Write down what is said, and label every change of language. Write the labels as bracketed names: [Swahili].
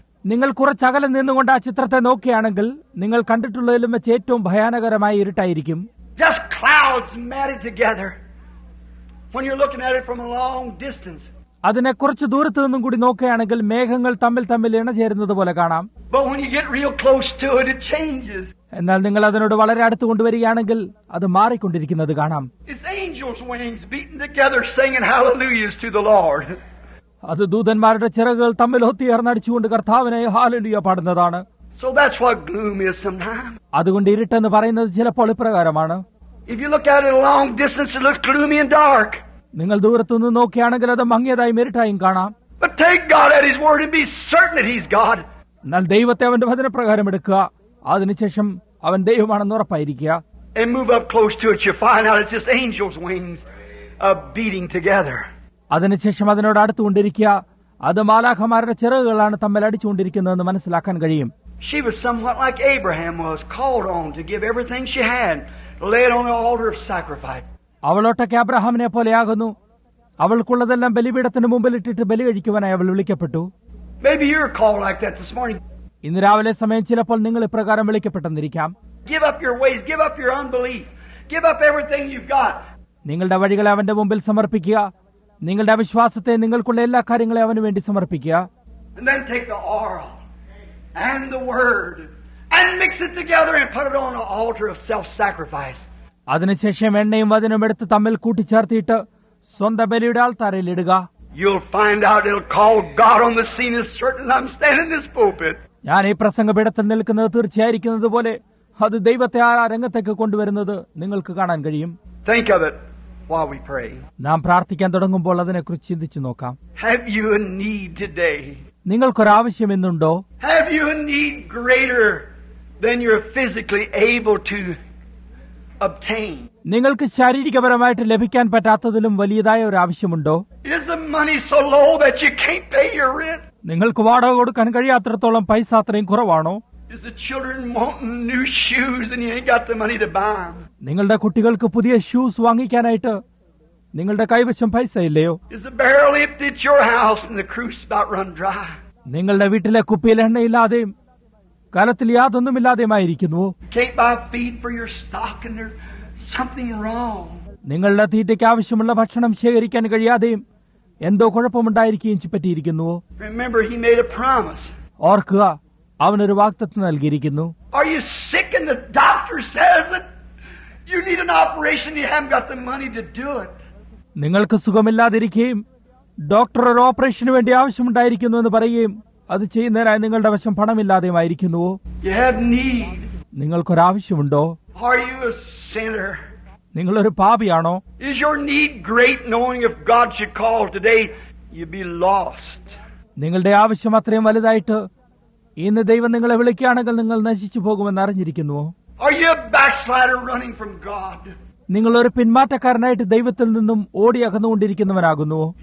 [Malayalam] നിങ്ങൾ കുറച്ചകലം നിന്നുകൊണ്ട് ആ ചിത്രത്തെ നോക്കിയാണെങ്കിൽ നിങ്ങൾ കണ്ടിട്ടുള്ളതിലും വെച്ച് ഏറ്റവും ഭയാനകരമായ ഇരുട്ടായിരിക്കും. [English] Just clouds married together. When you're looking at it from a long distance. [Malayalam] അതിനെ കുറച്ച് ദൂരത്തു നിന്നും കൂടി നോക്കുകയാണെങ്കിൽ മേഘങ്ങൾ തമ്മിൽ ഇണചേരുന്നത് പോലെ കാണാം. [English] But when you get real close to it, it changes. [Malayalam] എന്നാൽ നിങ്ങൾ അതിനോട് വളരെ അടുത്ത് കൊണ്ടുവരികയാണെങ്കിൽ അത് മാറിക്കൊണ്ടിരിക്കുന്നത് കാണാം. [English] It's angels' wings beating together singing hallelujahs to the Lord. [Malayalam] അത് ദൂതന്മാരുടെ ചിറകുകൾ തമ്മിൽ ഒത്തിയർന്നടിച്ചുകൊണ്ട് കർത്താവിനെ hallelujah പാടുന്നതാണ്. [English] So that's what gloom is sometimes. [Malayalam] അതുകൊണ്ട് ഇരുട്ട് എന്ന് പറയുന്നത് ചിലപ്പോൾ ഇപ്രകാരമാണ്. [English] If you look at it a long distance, it looks gloomy and dark. [Malayalam] നിങ്ങൾ ദൂരത്തു നിന്ന് നോക്കുകയാണെങ്കിൽ അത് മങ്ങിയതായും ഇരുട്ടായും കാണാം. [English] But take God at his word and be certain that he's God. [Malayalam] എന്നാൽ ദൈവത്തെ അവന്റെ വചനപ്രകാരം എടുക്കുക. അതിനുശേഷം അവൻ ദൈവമാണെന്ന് ഉറപ്പായിരിക്കുക. [English] And move up close to it, you find out it's just angels' wings beating together. [Malayalam] അതിനുശേഷം അതിനോട് അടുത്തു കൊണ്ടിരിക്കുക. അത് മാലാഖമാരുടെ ചിറകുകളാണ് തമ്മിൽ അടിച്ചുകൊണ്ടിരിക്കുന്നതെന്ന് മനസ്സിലാക്കാൻ കഴിയും. [English] She was somewhat like Abraham was called on to give everything she had, laid on the altar of sacrifice. [Malayalam] അവളൊട്ടൊക്കെ അബ്രഹാമിനെ പോലെയാകുന്നു. അവൾക്കുള്ളതെല്ലാം ബലിപീഠത്തിന് മുമ്പിൽ ഇട്ടിട്ട് ബലി കഴിക്കുവാനായി അവൾ വിളിക്കപ്പെട്ടു. [English] Maybe you're called like that this morning. [Malayalam] ഇന്ന് രാവിലെ സമയം ചിലപ്പോൾ നിങ്ങൾ ഇപ്രകാരം വിളിക്കപ്പെട്ടെന്നിരിക്കാം. [English] Give up your ways, give up your unbelief, give up everything you've got. [Malayalam] നിങ്ങളുടെ വഴികളെ അവന്റെ മുമ്പിൽ സമർപ്പിക്കുക. നിങ്ങളുടെ അവിശ്വാസത്തെ, നിങ്ങൾക്കുള്ള എല്ലാ കാര്യങ്ങളെയും അവന് വേണ്ടി സമർപ്പിക്കുക. [English] And then take the oil and the word and mix it together and put it on the altar of self-sacrifice. [Malayalam] അതിനുശേഷം എണ്ണയും വചനവും എടുത്ത് തമ്മിൽ കൂട്ടിച്ചേർത്തിയിട്ട് സ്വന്തം ബലിയുടെ ആൾത്താരയിൽ ഇടുക. [English] You'll find out it'll call God on the scene as certain I'm standing in this pulpit. [Malayalam] ഞാൻ ഈ പ്രസംഗപീഠത്തിൽ നിൽക്കുന്നത് തീർച്ചയായിരിക്കുന്നത് പോലെ അത് ദൈവത്തെ ആ രംഗത്തേക്ക് കൊണ്ടുവരുന്നത് നിങ്ങൾക്ക് കാണാൻ കഴിയും. [English] Think of it while we pray. [Malayalam] നാം പ്രാർത്ഥിക്കാൻ തുടങ്ങുമ്പോൾ അതിനെക്കുറിച്ച് ചിന്തിച്ചു നോക്കാം. [English] Have you a need today? [Malayalam] നിങ്ങൾക്കൊരാവശ്യം എന്നുണ്ടോ? [English] Have you a need greater than you're physically able to obtain? [Malayalam] നിങ്ങൾക്ക് ശാരീരികപരമായിട്ട് ലഭിക്കാൻ പറ്റാത്തതിലും വലിയതായ ഒരു ആവശ്യമുണ്ടോ? [English] Is the money so low that you can't pay your rent? [Malayalam] നിങ്ങൾക്ക് വാടക കൊടുക്കാൻ കഴിയാത്രത്തോളം പൈസ അത്രയും കുറവാണോ? [English] Is the children wanting new shoes and you ain't got the money to buy them? [Malayalam] നിങ്ങളുടെ കുട്ടികൾക്ക് പുതിയ ഷൂസ് വാങ്ങിക്കാനായിട്ട് നിങ്ങളുടെ കൈവശം പൈസ ഇല്ലയോ? [English] Is the barrel empty at your house and the crew's about run dry? [Malayalam] നിങ്ങളുടെ വീട്ടിലെ കുപ്പിയിൽ എണ്ണയില്ലാതെയും കലത്തിൽ യാതൊന്നും ഇല്ലാതെയുമായിരിക്കുന്നുവോ? [English] Can't buy feed for your stock and there's something wrong. [Malayalam] നിങ്ങളുടെ തീറ്റയ്ക്ക് ആവശ്യമുള്ള ഭക്ഷണം ശേഖരിക്കാൻ കഴിയാതെയും എന്തോ കുഴപ്പമുണ്ടായിരിക്കുകയും പറ്റിയിരിക്കുന്നുവോ? [English] Remember, he made a promise. [Malayalam] ഓർക്കുക, അവനൊരു വാഗ്ദത്തം നൽകിയിരിക്കുന്നു. [English] Are you sick and the doctor says that you need an operation, you haven't got the money to do it? [Malayalam] നിങ്ങൾക്ക് സുഖമില്ലാതിരിക്കുകയും ഡോക്ടർ ഒരു ഓപ്പറേഷന് വേണ്ടി ആവശ്യമുണ്ടായിരിക്കുന്നു എന്ന് പറയുകയും അത് ചെയ്യുന്നതിനായി നിങ്ങളുടെ വശം പണമില്ലാതെയുമായിരിക്കുന്നുവോ? [English] You have need. [Malayalam] നിങ്ങൾക്കൊരാവശ്യമുണ്ടോ? [English] Are you a sinner? [Malayalam] നിങ്ങളൊരു പാപിയാണോ? [English] Is your need great knowing if God should call today you'd be lost? [Malayalam] നിങ്ങളുടെ ആവശ്യം അത്രയും വലുതായിട്ട് ഇന്ന് ദൈവം നിങ്ങളെ വിളിക്കുകയാണെങ്കിൽ നിങ്ങൾ നശിച്ചു പോകുമെന്ന് അറിഞ്ഞിരിക്കുന്നുവോ? [English] Are you a backslider running from God? [Malayalam] നിങ്ങൾ ഒരു പിന്മാറ്റക്കാരനായിട്ട് ദൈവത്തിൽ നിന്നും ഓടി അകന്നുകൊണ്ടിരിക്കുന്നവനാകുന്നു.